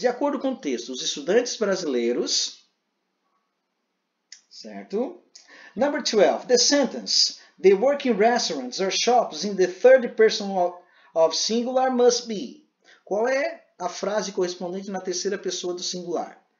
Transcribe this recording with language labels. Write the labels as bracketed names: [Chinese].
[Portuguese] De acordo com o texto, os estudantes brasileiros. Certo? [English] Number 12. The sentence. They work in restaurants or shops in the third person of singular must be. [Portuguese] Qual é a frase correspondente na terceira pessoa do singular?